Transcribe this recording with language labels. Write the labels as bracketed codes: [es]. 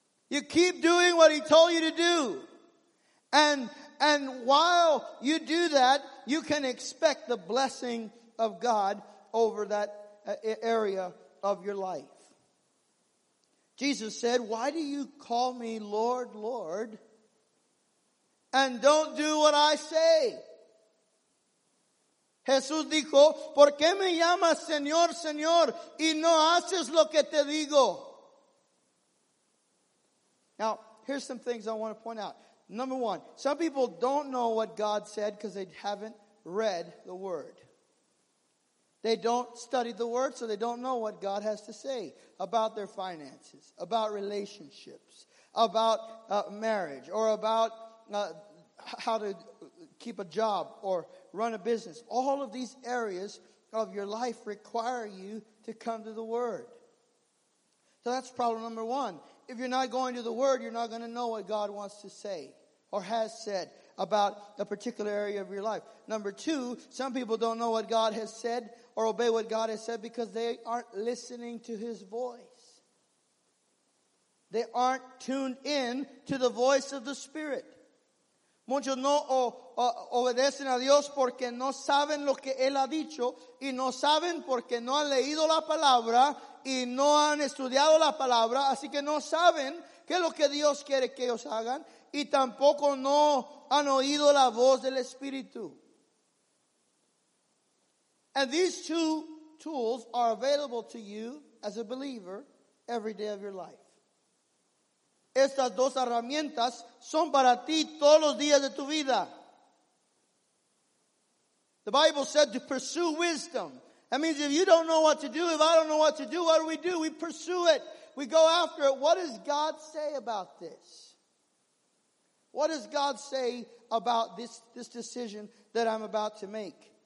[en] You keep doing what he told you to do. And while you do that, you can expect the blessing of God over that area of your life. Jesus said, why do you call me Lord, Lord, and don't do what I say? [es] Jesús dijo, ¿por qué me llamas Señor, Señor, y no haces lo que te digo? [en] Now, here's some things I want to point out. Number one, some people don't know what God said because they haven't read the Word. They don't study the Word, so they don't know what God has to say about their finances, about relationships, about marriage, or about how to keep a job or run a business. All of these areas of your life require you to come to the Word. So that's problem number one. If you're not going to the Word, you're not going to know what God wants to say. Or has said about a particular area of your life. Number two, some people don't know what God has said or obey what God has said because they aren't listening to his voice. They aren't tuned in to the voice of the Spirit. [es] Muchos no obedecen a Dios porque no saben lo que él ha dicho y no saben porque no han leído la palabra y no han estudiado la palabra, así que no saben qué es lo que Dios quiere que ellos hagan. Y tampoco no han oído la voz del Espíritu. [en] And these two tools are available to you as a believer every day of your life. [es] Estas dos herramientas son para ti todos los días de tu vida. [en] The Bible said to pursue wisdom. That means if you don't know what to do, if I don't know what to do, what do? We pursue it. We go after it. What does God say about this? What does God say about this decision that I'm about to make?